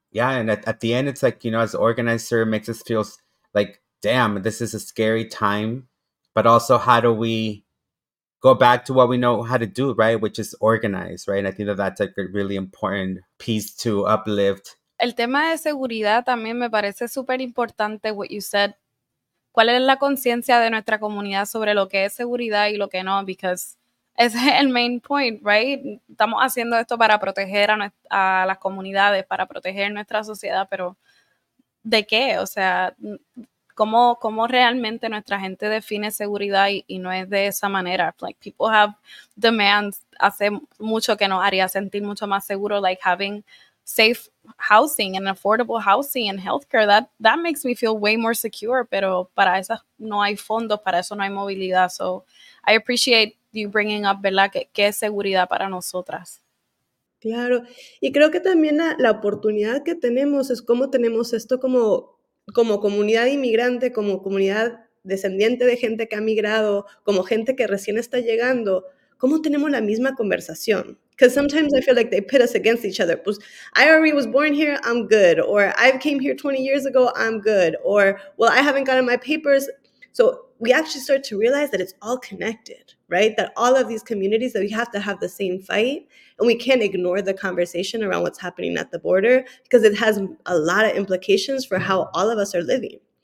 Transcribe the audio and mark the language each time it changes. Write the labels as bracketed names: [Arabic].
[English] Yeah, and at the end, it's like, you know, as an organizer, it makes us feel like, damn, this is a scary time. But also, how do we go back to what we know how to do, right? Which is organize, right? And I think that that's like a really important piece to uplift. [Spanish] El tema de seguridad también me parece súper importante, [English] what you said. [Spanish] ¿Cuál es la conciencia de nuestra comunidad sobre lo que es seguridad y lo que no? [English] Because [Spanish] es el [English] main point, right? [Spanish] Estamos haciendo esto para proteger a las comunidades, para proteger nuestra sociedad, pero ¿de qué? O sea, ¿cómo realmente nuestra gente define seguridad y no es de esa manera? [English] Like, people have demands [Spanish] hace mucho que nos haría sentir mucho más seguro, [English] like having safe housing and affordable housing and healthcare. That makes me feel way more secure, [Spanish] pero para eso no hay fondos, para eso no hay movilidad. [English] So I appreciate you bringing up, [Spanish] ¿verdad? ¿Qué es seguridad para nosotras? Claro. Y creo que también la oportunidad que tenemos es cómo tenemos esto como comunidad inmigrante, como comunidad descendiente de gente que ha migrado, como gente que recién está llegando, ¿cómo tenemos la misma conversación? [English] Because sometimes I feel like they pit us against each other. [Spanish] Pues, [English] I already was born here, I'm good. Or I came here 20 years ago, I'm good. Or, well, I haven't gotten my papers. So we actually start to realize that it's all connected, right? That all of these communities, that we have to have the same fight, and we can't ignore the conversation around what's happening at the border, because it has a lot of implications for how all of us are living.